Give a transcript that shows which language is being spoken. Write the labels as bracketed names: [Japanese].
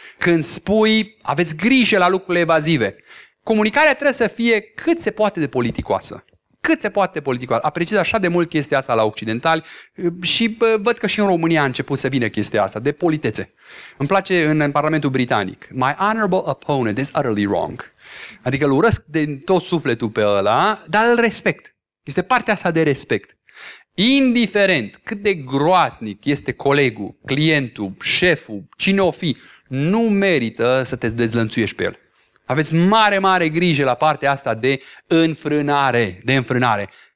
[Romanian] Când spui, aveți grijă la lucrurile evazive. Comunicarea trebuie să fie cât se poate de politicoasă. Cât se poate politica. Apreciez așa de mult chestia asta la occidentali și văd că și în România a început să vină chestia asta de politețe. Îmi place în Parlamentul Britanic. [English] My honorable opponent is utterly wrong. [Romanian] Adică îl urăsc din tot sufletul pe ăla, dar îl respect. Este partea asta de respect. Indiferent cât de groaznic este colegul, clientul, șeful, cine o fi, nu merită să te dezlănțuiești pe el. Aveți mare, mare grijă la partea asta de înfrânare, de înfrânare.